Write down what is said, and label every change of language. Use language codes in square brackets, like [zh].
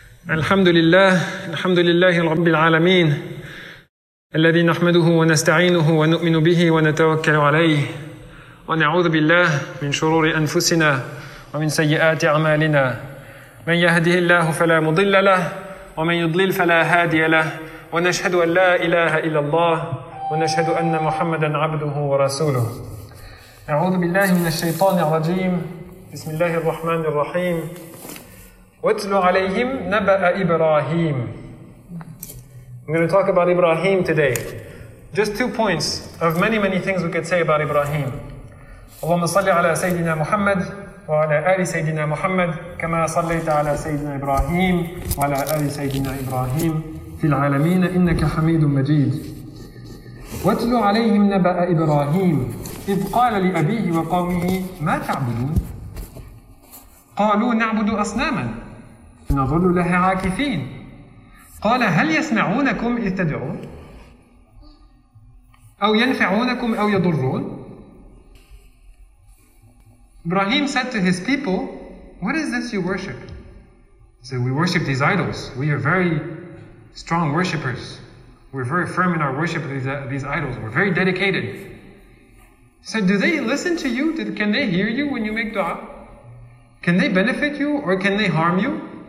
[ar] الحمد لله رب العالمين الذي نحمده ونستعينه ونؤمن به ونتوكل عليه ونعوذ بالله من شرور أنفسنا ومن سيئات أعمالنا من يهده الله فلا مضل له ومن يضلل فلا هادي له ونشهد أن لا إله إلا الله ونشهد أن محمدا عبده ورسوله أعوذ بالله من الشيطان الرجيم بسم الله الرحمن الرحيم وَاتْلُ عَلَيْهِمْ نَبَأَ إِبْرَاهِيمِ I'm going to talk about Ibrahim today. [en] Just two points of many, many things we could say about Ibrahim. [ar] اللهم صلِّ على سيدنا محمد وعلى آل سيدنا محمد كما صليت على سيدنا إبراهيم وعلى آل سيدنا إبراهيم في العالمين إنك حميد مجيد وَاتْلُ عَلَيْهِمْ نَبَأَ إِبْرَاهِيمِ إِذْ قَالَ لِأَبِيهِ وَقَوْمِهِ مَا تَعْبُدُونَ قالوا نعبد أصناما نظل لها عاكفين قال هل يسمعونكم إذ تدعون أو ينفعونكم أو يضرون إبراهيم said to his people, what is this you worship? [en] He said, we worship these idols. We are very strong worshippers. We're very firm in our worship of these idols. We're very dedicated. He said, do they listen to you? Can they hear you when you make dua? Can they benefit you or can they harm you?